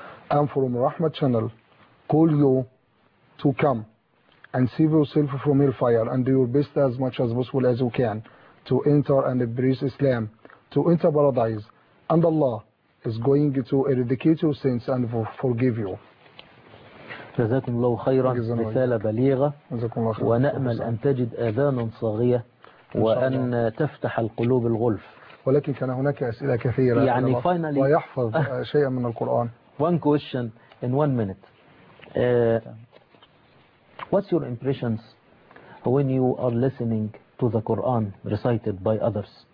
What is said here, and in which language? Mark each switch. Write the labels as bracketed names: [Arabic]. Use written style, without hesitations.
[English] And from Rahmat Channel, call you to come and save yourself from hellfire and do your best as much as possible as you can to enter and embrace Islam, to enter paradise. And Allah is going to eradicate your sins and forgive you. [Arabic] جزاكم الله خيرا, رسالة بليغة, ونأمل أن تجد آذان صاغية وأن تفتح القلوب الغلف. ولكن كان هناك أسئلة كثيرة, يعني [English] finally [Arabic] ويحفظ شيئا من القرآن. [English] One question in one minute. What's your impressions when you are listening to the Quran recited by others?